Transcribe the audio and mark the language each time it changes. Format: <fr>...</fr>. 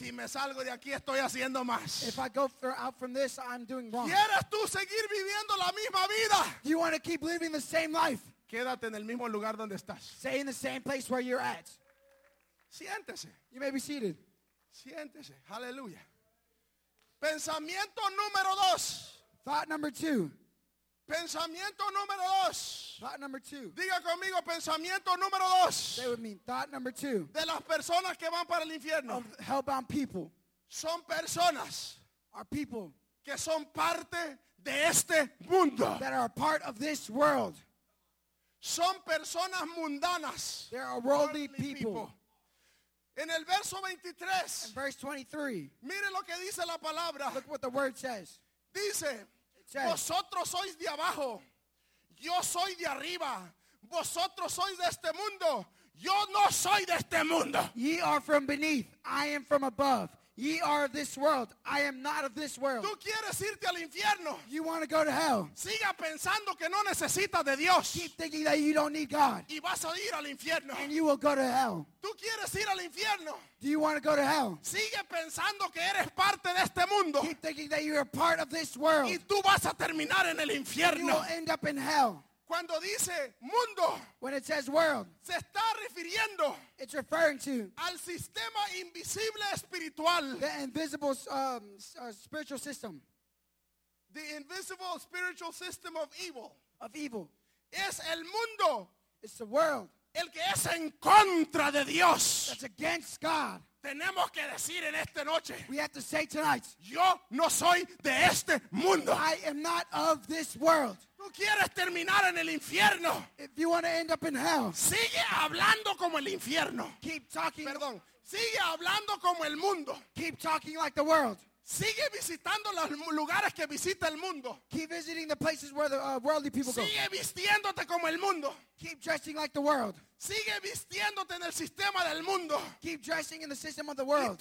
<es>Si me salgo de aquí, estoy haciendo más.</es> <en>If I go out from this, I'm doing wrong.</en> <es>¿Quieres tú seguir viviendo la misma vida?</es> <en>Do you want to keep living the same life?</en> <es>Quédate en el mismo lugar donde estás.</es> <en>Stay in the same place where you're at.</en> <es>Siéntese.</es> <en>You may be seated.</en> <es>Siéntese. Hallelujah. Pensamiento número dos.</es> <en>Thought number two.</en> <es>Pensamiento número dos.</es> <en>Thought number two.</en> <es>Diga conmigo, pensamiento número dos.</es> <en>Say with me, thought number two.</en> <es>De las personas que van para el infierno.</es> <en>Of hellbound people.</en> <es>Son personas.</es> <en>Are people.</en> <es>Que son parte de este mundo.</es> <en>That are a part of this world.</en> <es>Son personas mundanas.</es> <en>They are worldly people.</en> <es>En el verso 23.</es> <en>In verse 23.</en> <es>Mire lo que dice la palabra.</es> <en>Look what the word says.</en> <es>Dice. Vosotros sois de abajo, yo soy de arriba. Vosotros sois de este mundo, yo no soy de este mundo.</es> <en>Ye are from beneath, I am from above. Ye are of this world, I am not of this world.</en> <es>Tú quieres irte al infierno.</es> <en>You want to go to hell.</en> <es>Siga pensando que no necesitas de Dios.</es> <en>Keep thinking that you don't need God.</en> <es>Y vas a ir al infierno.</es> <en>And you will go to hell.</en> <es>Tú quieres ir al infierno.</es> <en>Do you want to go to hell?</en> <es>Sigue pensando que eres parte de este mundo.</es> <en>Keep thinking that you are part of this world.</en> <es>Y tú vas a terminar en el infierno.</es> <en>You will end up in hell.</en> <es>Cuando dice mundo,</es> <en>when it says world,</en> <es>se está refiriendo,</es> <en>it's referring to,</en> <es>al sistema invisible espiritual,</es> <en>the invisible spiritual system, the invisible spiritual system of evil, of evil,</en> <es>es el mundo,</es> <en>it's the world,</en> <es>el que es en contra de Dios,</es> <en>that's against God.</en> <es>Tenemos que decir en esta noche,</es> <en>we have to say tonight,</en> <es>yo no soy de este mundo,</es> <en>I am not of this world.</en> <es>Tú quieres terminar en el infierno.</es> <en>If you want to end up in hell,</en> <es>sigue hablando como el infierno.</es> <en>Keep talking.</en> <es>Perdón. Sigue hablando como el mundo.</es> <en>Keep talking like the world.</en> <es>Sigue visitando los lugares que visita el mundo.</es> <en>Keep visiting the places where the worldly people</en> <es>sigue</es> <en>go.</en> <es>Sigue vistiéndote como el mundo.</es> <en>Keep dressing like the world.</en> <es>Sigue vistiéndote en el sistema del mundo.</es> <en>Keep dressing in the system of the world.</en>